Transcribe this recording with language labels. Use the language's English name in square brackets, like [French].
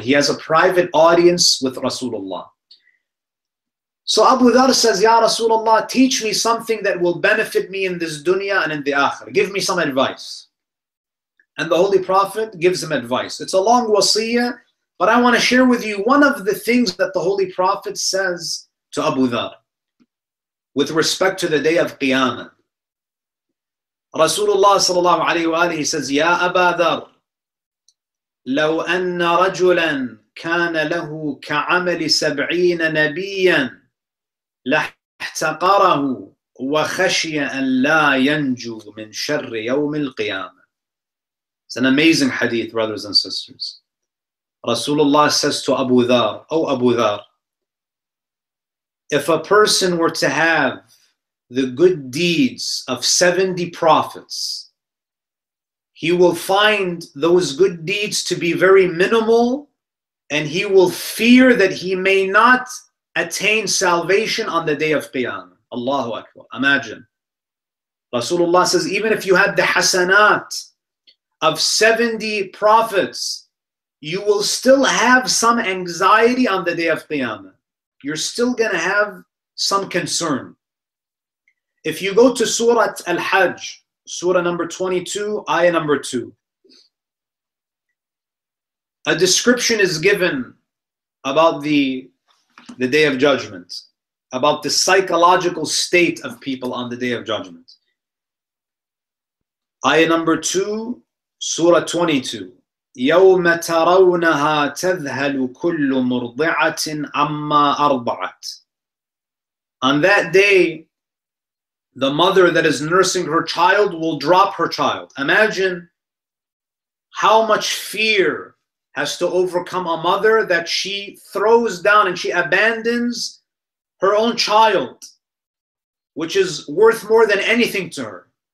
[English] He has a private audience with Rasulullah. So Abu Dhar says, Ya Rasulullah, teach me something that will benefit me in this dunya and in the akhirah. Give me some advice. And the Holy Prophet gives him advice. It's a long wasiyah, but I want to share with you one of the things that the Holy Prophet says to Abu Dhar with respect to the day of Qiyamah. [Arabic] Rasulullah sallallahu alayhi wa alayhi says, Ya Abu Dhar, لو أن رجلا كان له كعمل سبعين نبيا لاحتقره وخشي أن لا ينجو من شر يوم القيامة. [English] It's an amazing hadith, brothers and sisters. Rasulullah says to Abu Dhar, Oh Abu Dhar, if a person were to have the good deeds of 70 prophets, he will find those good deeds to be very minimal, and he will fear that he may not attain salvation on the day of Qiyamah. Allahu Akbar. Imagine. Rasulullah says, even if you had the hasanat of 70 prophets, you will still have some anxiety on the day of Qiyamah. You're still going to have some concern. If you go to Surah Al-Hajj, Surah number 22, Ayah number 2, a description is given about the Day of Judgment, about the psychological state of people on the Day of Judgment. Ayah number 2, Surah 22. [Arabic] يوم ترونها تذهل كل مرضعة عما أرضعت. [English] On that day, the mother that is nursing her child will drop her child. Imagine how much fear has to overcome a mother that she throws down and she abandons her own child, which is worth more than anything to her.